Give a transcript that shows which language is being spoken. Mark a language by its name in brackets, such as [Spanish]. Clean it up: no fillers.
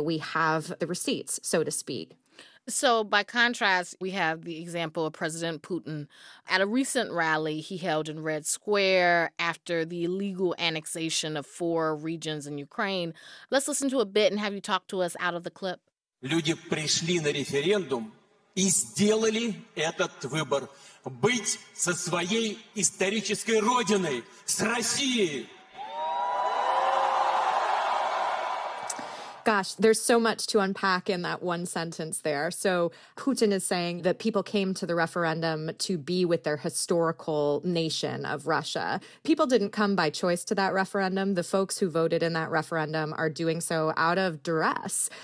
[English] We have the receipts, so to speak. So by contrast, we have the example of President Putin. At a recent rally he held in Red Square after the illegal annexation of four regions in Ukraine. Let's listen to a bit and have you talk to us out of the clip. [Russian] Люди пришли на референдум и сделали этот выбор. Быть со своей исторической родиной, с Россией. [English] Gosh, there's so much to unpack in that one sentence there. So Putin is saying that people came to the referendum to be with their historical nation of Russia. People didn't come by choice to that referendum. The folks who voted in that referendum are doing so out of duress.